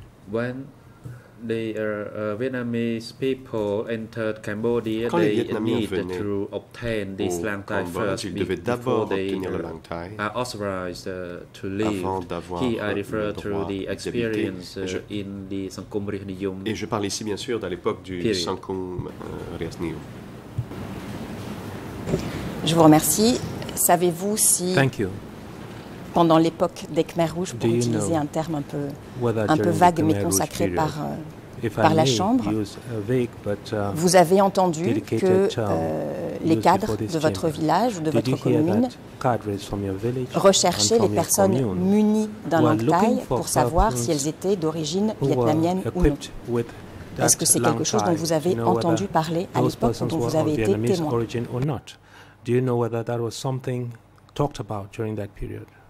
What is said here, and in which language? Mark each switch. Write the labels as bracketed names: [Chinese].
[English] When the Vietnamese people entered Cambodia, [French] quand [English] they needed to obtain this Lang Thai first before they are authorized to live. Here I refer to the experience in the Sangkum Res Neo. [French] Et je parle ici bien sûr de l'époque du Sangkum Res Neo. Je vous remercie. Savez-vous si pendant l'époque des Khmer Rouges, pour utiliser un terme un peu vague mais consacré par la Chambre, vous avez entendu que les cadres de votre village ou de votre commune recherchaient les personnes munies d'un Lang Thai pour savoir si elles étaient d'origine vietnamienne ou non. Est-ce que c'est quelque chose dont vous avez entendu parler à l'époque ou dont vous avez été témoin? [English] Do you know whether that was something talked about during that period?